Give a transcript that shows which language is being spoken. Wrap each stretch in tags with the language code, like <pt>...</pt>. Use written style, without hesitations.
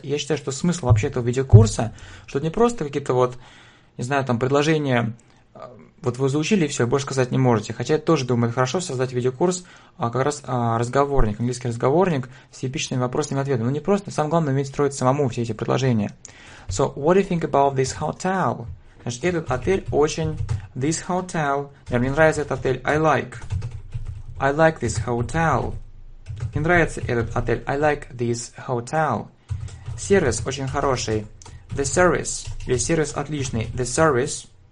<ru>И я считаю, что смысл вообще этого видеокурса, что это не просто какие-то вот, не знаю, там, предложения, вот вы заучили и все, больше сказать не можете. Хотя я тоже думаю, это хорошо создать видеокурс, как раз разговорник, английский разговорник с типичными вопросами и ответами. Но не просто, самое главное, уметь строить самому все эти предложения.</ru> <en>So, what do you think about this hotel?</en> <ru>Значит, этот отель очень...</ru> <en>This hotel.</en> <ru>Мне нравится этот отель.</ru> <en>I like this hotel.</en> <ru>Мне нравится этот отель.</ru> <en>I like this hotel.</en> <ru>Сервис очень хороший.</ru> <en>The service.</en> <ru>Весь сервис отличный.</ru> <en>The service.</en>